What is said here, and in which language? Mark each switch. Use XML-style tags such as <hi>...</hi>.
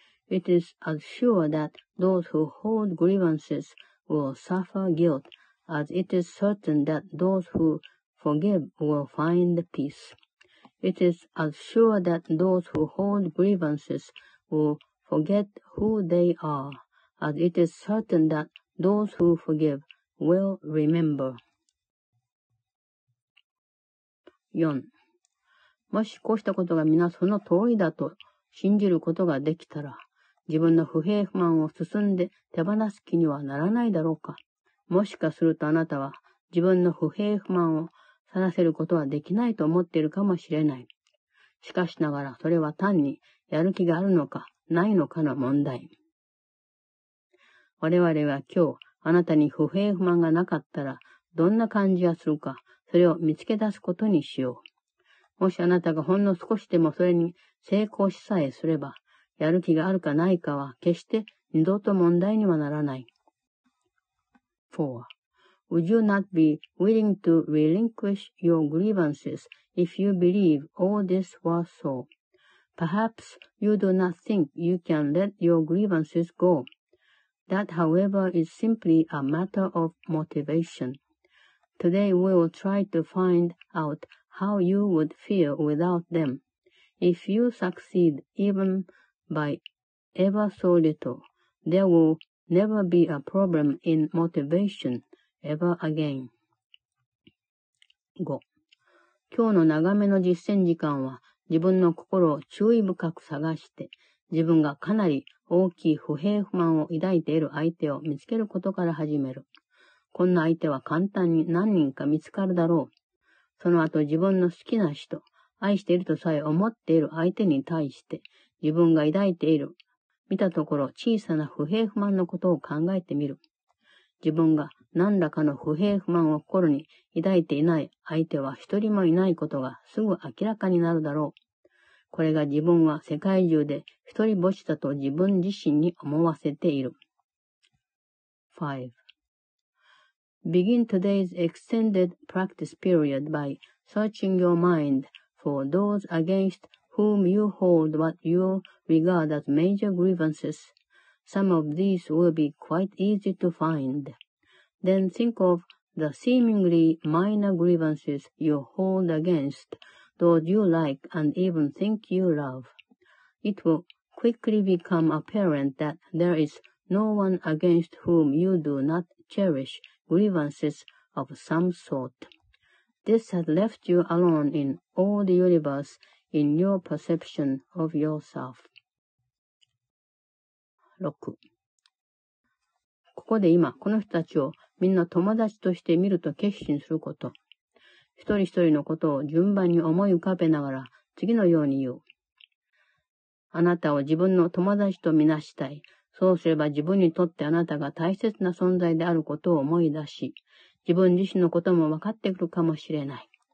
<en>It is as sure that those who hold grievances will suffer guilt, as it is certain that those who forgive will find peace. It is as sure that those who hold grievances will forget who they are, as it is certain that those who forgive will remember.</en> <ja>4. もしこうしたことが皆その通りだと信じることができたら、自分の不平不満を進んで手放す気にはならないだろうか。もしかするとあなたは自分の不平不満を去らせることはできないと思っているかもしれない。しかしながらそれは単にやる気があるのかないのかの問題。我々は今日あなたに不平不満がなかったらどんな感じがするか、それを見つけ出すことにしよう。もしあなたがほんの少しでもそれに成功しさえすれば、やる気があるかないかは決して二度と問題にはならない。</ja> <en>4. Would you not be willing to relinquish your grievances if you believe all this was so? Perhaps you do not think you can let your grievances go. That, however, is simply a matter of motivation. Today we will try to find out how you would feel without them. If you succeed even by ever so little, there will never be a problem in motivation ever again.</en> <ja>5. 今日の長めの実践時間は自分の心を注意深く探して自分がかなり大きい不平不満を抱いている相手を見つけることから始める。こんな相手は簡単に何人か見つかるだろう。その後自分の好きな人、愛しているとさえ思っている相手に対して自分が抱いている、見たところ小さな不平不満のことを考えてみる。自分が何らかの不平不満を心に抱いていない相手は一人もいないことがすぐ明らかになるだろう。これが自分は世界中で一人ぼっちだと自分自身に思わせている。</ja> <en>5. Begin today's extended practice period by searching your mind for those against whom you hold what you regard as major grievances. Some of these will be quite easy to find. Then think of the seemingly minor grievances you hold against those you like and even think you love. It will quickly become apparent that there is no one against whom you do not cherish grievances of some sort. This has left you alone in all the universe in your perception of yourself.</en> <ja>6. ここで今、この人たちをみんな友達として見ると決心すること。一人一人のことを順番に思い浮かべながら次のように言う。あなたを自分の友達とみなしたい。そうすれば自分にとってあなたが大切な存在であることを思い出し、自分自身のことも分かってくるかもしれない。</ja>